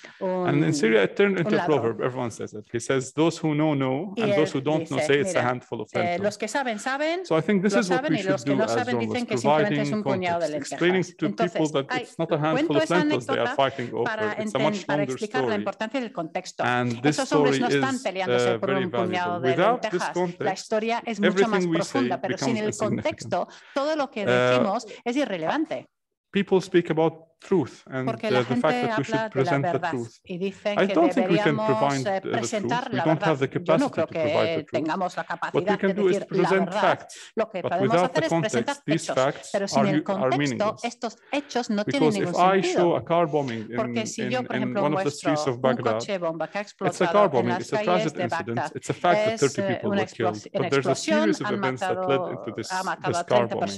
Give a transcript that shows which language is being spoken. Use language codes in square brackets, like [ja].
[en] And in Syria, it turned into a proverb. Everyone says it. He says, "Those who know, and those who don't know, say it's a handful of lentils." So I think this is what we should do as journalists, providing context, explaining to people that it's not a handful of lentils they are fighting over. It's a much longer story. And this story [es] no están peleándose por un puñado de lentejas. La historia es mucho más profunda, pero sin el contexto, todo lo que decimos es irrelevante. [en] People speak about truth and the fact that we should present the truth. I don't think we can provide the truth. We don't have the capacity to provide the truth. What we can do is present facts, but without the context, these facts are meaningless. Because if I show a car bombing in one of the streets of Baghdad, it's a car bombing, it's a tragic incident, it's a fact that 30 people were killed, but there's a series of events that led into this car bombing.